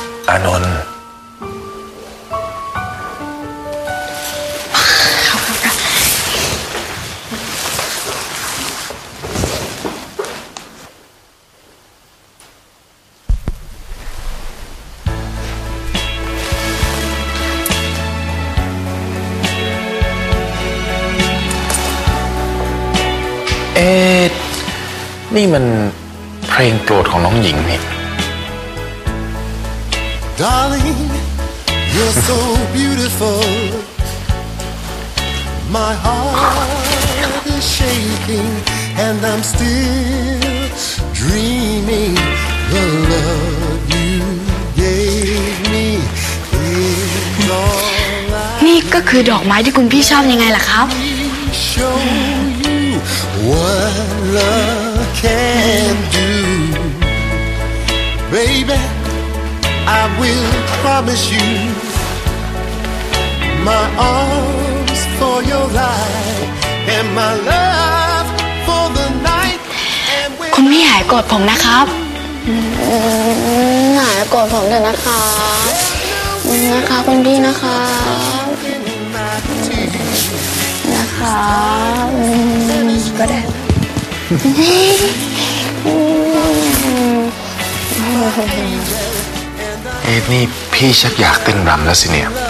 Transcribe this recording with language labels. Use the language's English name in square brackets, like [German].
[Thai] อานนท์นี่มันเพลงโปรดของน้องหญิงนี่ [English] Darling, you're so beautiful. My heart is shaking, and I'm still dreaming. The love you gave me is all I [Thai] need. นี่ก็คือดอกไม้ที่คุณพี่ชอบยังไงล่ะครับ [English] Show you what love can do, babyI will promise you my arms for your life and my love for the night. [Thai] คุณพี่หายกอดผมนะครับ หายกอดผมเถอะนะคะนะคะคุณพี่นะคะนะคะ ก็ได้เอ็ดนี่พี่ชักอยากเต้นรำแล้วสิเนี่ย